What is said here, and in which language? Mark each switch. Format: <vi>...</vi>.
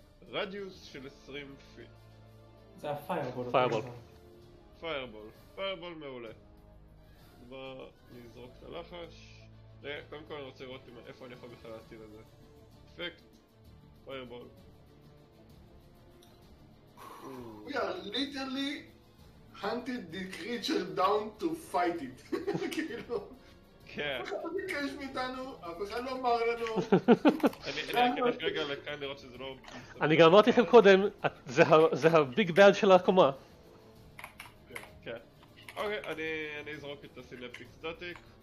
<he>רדיוס של 20 פיט. זה הפיירבול. פיירבול. פיירבול, פיירבול מעולה. בוא נזרוק את הלחש. רגע, קודם כל אני רוצה לראות איפה אני יכול בכלל להטיל את זה. אפקט, פיירבול.</he> <en>We are literally hunted the creature down to fight it.</en> <he>כאילו. כן. אף אחד לא ביקש מאיתנו, אף אחד לא אמר לנו. אני אכנס רגע לכאן לראות שזה לא... אני גם אמרתי לכם קודם, זה הביג בד של הקומה. אוקיי, אני אזרוק את הסינפטיק סטטיק.</he>